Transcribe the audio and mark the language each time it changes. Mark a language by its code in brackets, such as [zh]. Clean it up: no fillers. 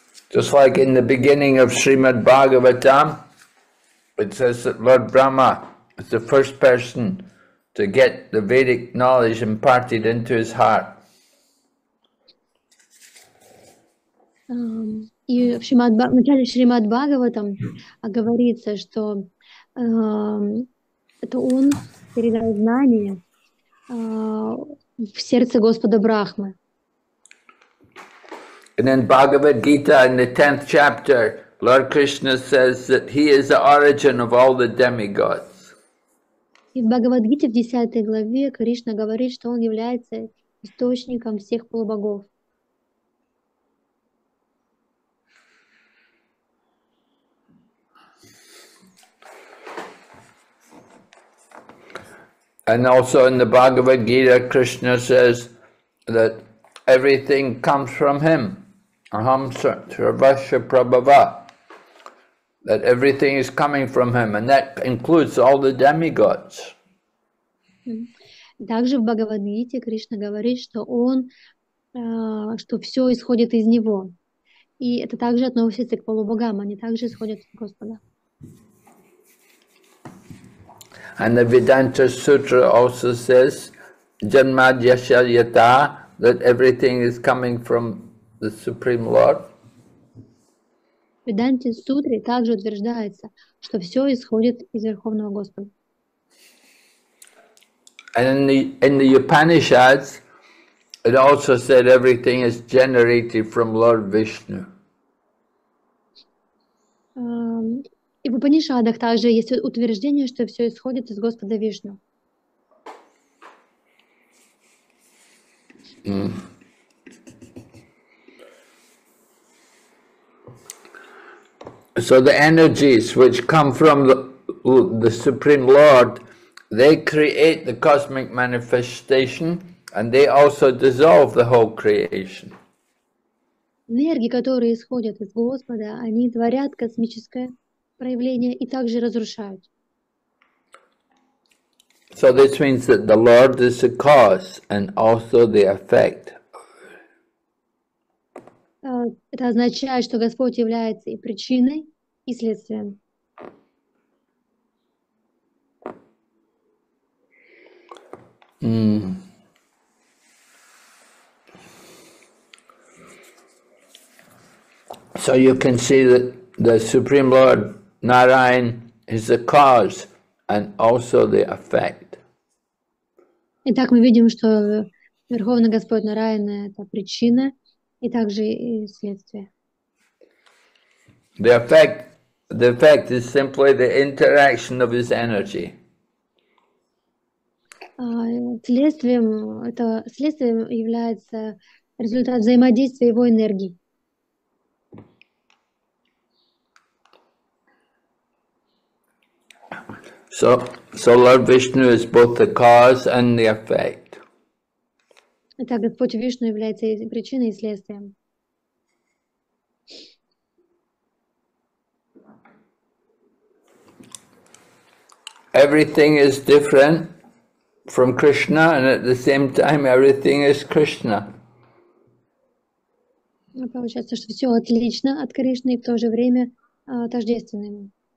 [en] Just like in the beginning of Srimad Bhagavatam, it says that Lord Brahma is the first person to get the Vedic knowledge imparted into his heart. [ru] И в начале Шримад Бхагаватам говорится, что это он передал знания в сердце Господа Брахмы. [en] And in Bhagavad Gita, in the 10th chapter, Lord Krishna says that he is the origin of all the demigods. [ru] И в Бхагавад-гите, в 10 главе, Кришна говорит, что он является источником всех полубогов. [en] And also in the Bhagavad Gita, Krishna says that everything comes from him. [sa] Aham Sarvasya Prabhava. [en] That everything is coming from him, and that includes all the demigods. [ru] Также в Бхагавад-гите Кришна говорит, что он, что все исходит из него. И это также относится к полубогам, они также исходят от Господа. [en] And the Vedanta Sutra also says, Janmadyashayata, that everything is coming from the Supreme Lord. [ru] Vedanta Sutra также утверждается, что все исходит из Верховного Господа. [en] And in the Upanishads, it also said everything is generated from Lord Vishnu. [ru] И в Упанишадах также есть утверждение, что все исходит из Господа Вишну. [en] So the energies which come from the Supreme Lord, they create the cosmic manifestation and they also dissolve the whole creation. [ru] Энергии, которые исходят из Господа, они творят космическое проявления и также разрушают. [en] So this means that the Lord is the cause and also the effect. [ru] Это означает, что Господь является и причиной, и следствием. [en] So you can see that the Supreme Lord Narayan is the cause and also the effect. [ru] Итак, мы видим, что Верховный Господь Нараян – это причина и также и следствие. [en] The effect is simply the interaction of his energy. [ru] Следствием является результат взаимодействия его энергии. [en] So Lord Vishnu is both the cause and the effect. [ru] Итак, Господь Вишну является и причиной, и следствием. [en] Everything is different from Krishna, and at the same time, everything is Krishna. [ru] Получается, что все отлично от Кришны и в то же время тождественно ему.